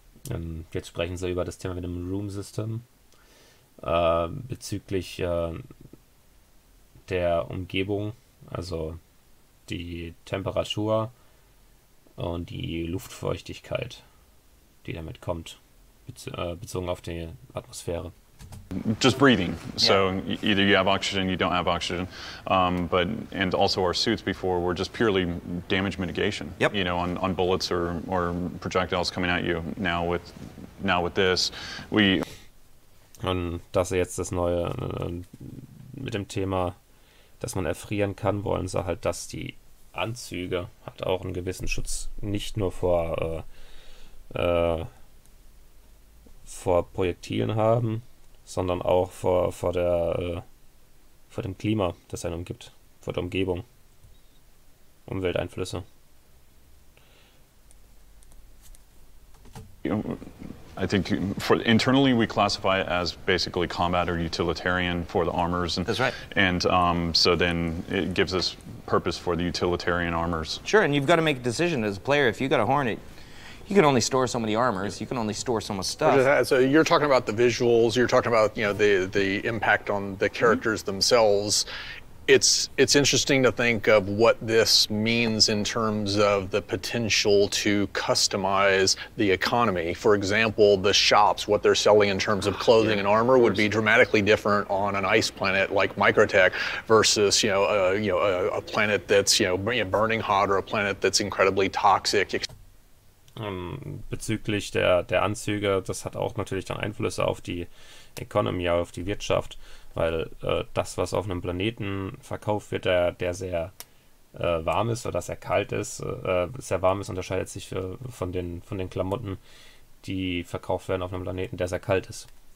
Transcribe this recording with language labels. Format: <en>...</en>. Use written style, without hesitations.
<de>Und jetzt sprechen sie über das Thema mit dem Room System bezüglich der Umgebung, also die Temperatur und die Luftfeuchtigkeit, die damit kommt, bezogen auf die Atmosphäre.</de> <en>Just breathing. So either you have oxygen, you don't have oxygen. But and also our suits before were just purely damage mitigation. Yep. You know, on bullets or projectiles coming at you. Now with this, we.</en> <de>Und dass er jetzt das neue mit dem Thema, dass man erfrieren kann, wollen sie halt, dass die Anzüge hat auch einen gewissen Schutz, nicht nur vor Projektilen haben, sondern auch vor dem Klima, das einen umgibt, vor der Umgebung, Umwelteinflüsse. Ja.</de> <en>I think internally we classify it as basically combat or utilitarian for the armors. And, that's right. And so then it gives us purpose for the utilitarian armors. Sure, and you've got to make a decision as a player. If you got a Hornet, you can only store so many armors, you can only store so much stuff. So you're talking about the visuals, you're talking about, you know, the impact on the characters mm-hmm. themselves. It's interesting to think of what this means in terms of the potential to customize the economy. For example, the shops, what they're selling in terms of clothing and armor would be dramatically different on an ice planet like Microtech versus, you know, a planet that's, you know, burning hot or a planet that's incredibly toxic.</en> <de>Bezüglich der Anzüge, das hat auch natürlich dann Einflüsse auf die Economy, auf die Wirtschaft. Weil das, was auf einem Planeten verkauft wird, der sehr warm ist oder sehr kalt ist, sehr warm ist, unterscheidet sich von den Klamotten, die verkauft werden auf einem Planeten, der sehr kalt ist.</de>